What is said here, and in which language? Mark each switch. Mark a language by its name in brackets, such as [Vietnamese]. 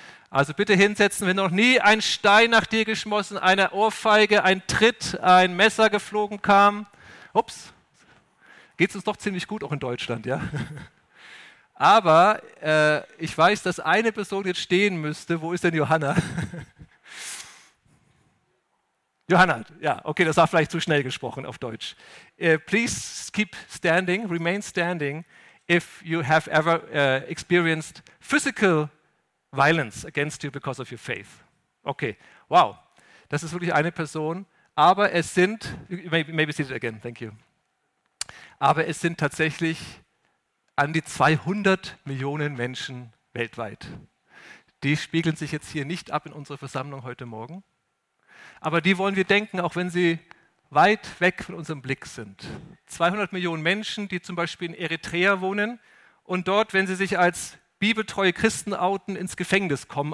[German] Also bitte hinsetzen, wenn noch nie ein Stein nach dir geschmissen, eine Ohrfeige, ein Tritt, ein Messer geflogen kam. Ups. Geht es uns doch ziemlich gut, auch in Deutschland, ja? Aber ich weiß, dass eine Person jetzt stehen müsste. Wo ist denn Johanna? Johanna, ja, okay, das war vielleicht zu schnell gesprochen auf Deutsch. [English] Please keep standing, remain standing, if you have ever experienced physical violence against you because of your faith. [German] Okay, wow, das ist wirklich eine Person. Aber es sind, [English] maybe see it again, thank you. [German] Aber es sind tatsächlich an die 200 Millionen Menschen weltweit. Die spiegeln sich jetzt hier nicht ab in unserer Versammlung heute Morgen. Aber die wollen wir denken, auch wenn sie weit weg von unserem Blick sind. 200 Millionen Menschen, die zum Beispiel in Eritrea wohnen und dort, wenn sie sich als bibeltreue Christen outen, ins Gefängnis kommen.